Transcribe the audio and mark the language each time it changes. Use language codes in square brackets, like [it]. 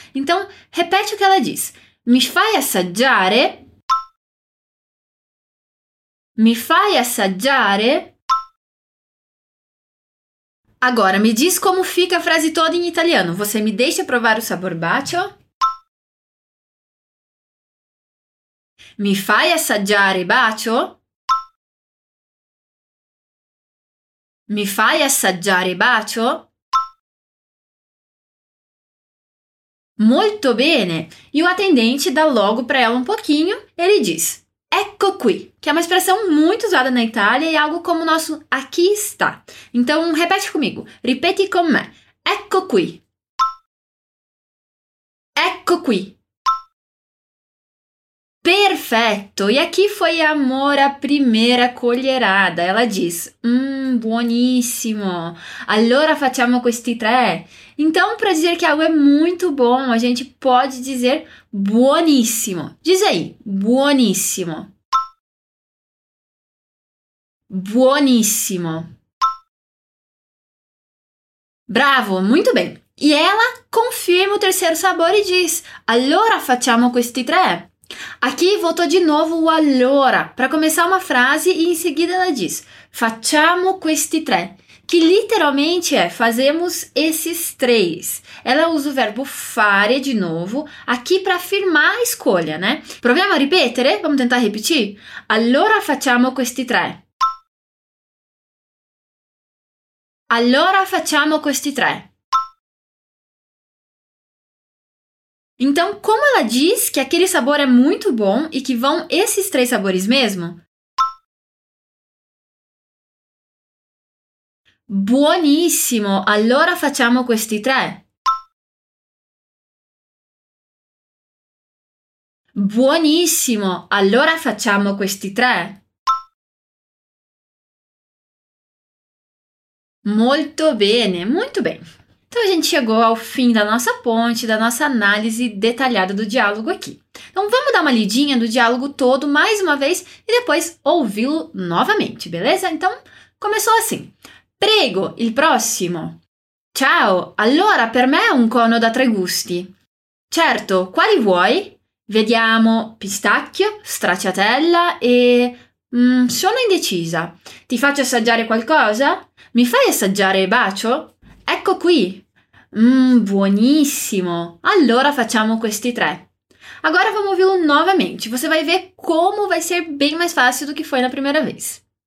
[pt] Então, repete o que ela diz. [it] Mi fai assaggiare? Mi fai assaggiare? [pt] Agora, me diz como fica a frase toda em italiano. Você me deixa provar o sabor bacio? [it] Mi fai assaggiare bacio? Mi fai assaggiare bacio? Molto bene! [pt] E o atendente dá logo para ela um pouquinho. Ele diz, [it] ecco qui, [pt] que é uma expressão muito usada na Itália e algo como o nosso aqui está. Então, repete comigo. [it] Ripeti con me. Ecco qui. Ecco qui. Perfetto! [pt] E aqui foi amor à primeira colherada. Ela diz, buonissimo. [it] Allora facciamo questi tre. [pt] Então, para dizer que algo é muito bom, a gente pode dizer buonissimo. Diz aí, buonissimo. [it] Buonissimo. [pt] Bravo, muito bem. E ela confirma o terceiro sabor e diz, [it] allora facciamo questi tre. [pt] Aqui voltou de novo o allora, para começar uma frase e em seguida ela diz, [it] facciamo questi tre. [pt] Que literalmente é, fazemos esses três. Ela usa o verbo fare de novo, aqui para afirmar a escolha, né? [it] Proviamo a ripetere? [pt] Vamos tentar repetir? [it] Allora facciamo questi tre. Allora facciamo questi tre. [pt] Então, como ela diz que aquele sabor é muito bom e que vão esses três sabores mesmo? [it] Buonissimo! Allora facciamo questi tre. Buonissimo! Allora facciamo questi tre. Molto bene! [pt] Muito bem! Então, a gente chegou ao fim da nossa ponte, da nossa análise detalhada do diálogo aqui. Então, vamos dar uma lidinha do diálogo todo mais uma vez e depois ouvi-lo novamente, beleza? Então, começou assim. [it] Prego, il prossimo. Ciao, allora per me è un cono da tre gusti. Certo, quali vuoi? Vediamo pistacchio, stracciatella e... sono indecisa. Ti faccio assaggiare qualcosa? Mi fai assaggiare il bacio? Ecco qui. Buonissimo. Allora facciamo questi tre. [pt] Agora vamos ouvi-lo novamente. Você vai ver como vai ser bem mais fácil do que foi na primeira vez.